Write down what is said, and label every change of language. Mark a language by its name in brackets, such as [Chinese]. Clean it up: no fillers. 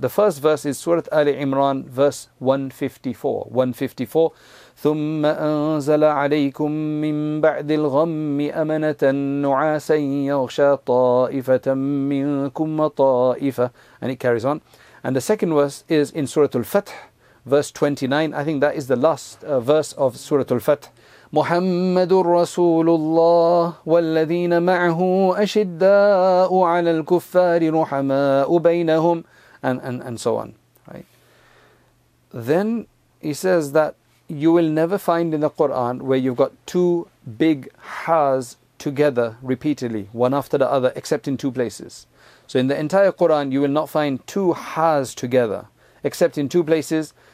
[English] The first verse is Surah Ali Imran, verse 154. And it carries on. And the second verse is in Surah Al-Fath, verse 29. I think that is the last verse of Surah Al-Fath. [Arabic] محمد رسول الله والذين معه أشداء على الكفار رحماء بينهم [English] and so on. Right. Then he says that you will never find in the Quran where you've got two big ha's together repeatedly, one after the other, except in two places. So in the entire Quran, you will not find two ha's together, except in two places.